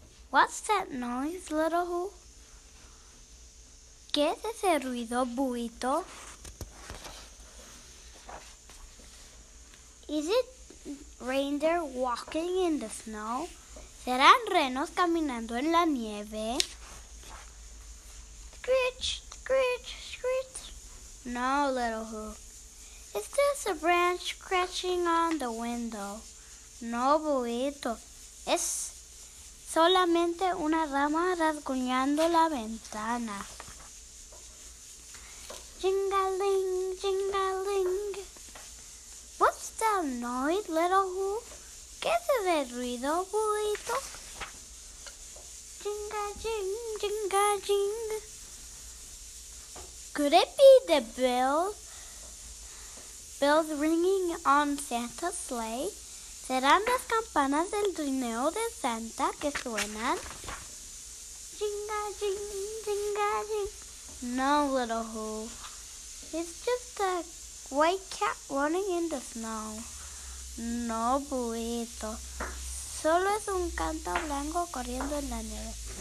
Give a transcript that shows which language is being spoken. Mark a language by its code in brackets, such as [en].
[en] What's that noise, Little Who? [es] ¿Qué es ese ruido, Buito? [en] Is it reindeer walking in the snow? [es] ¿Serán renos caminando en la nieve? [en] Screech, screech, screech. No, Little Who. Is this a branch crashing on the window? [es] No, Buito. Es solamente una rama rasguñando la ventana. [en] Jingling, jingling. What's that noise, Little Who? [es] ¿Qué es ese ruido, Buito? [en] Jinga, jing, jinga, jing. Could it be the bells ringing on Santa's sleigh? [es] ¿Serán las campanas del trineo de Santa que suenan? [en] Jinga, jing, jinga, jing. No, Little Who. It's just a white cat running in the snow. [es] No, Buito. Solo es un gato blanco corriendo en la nieve.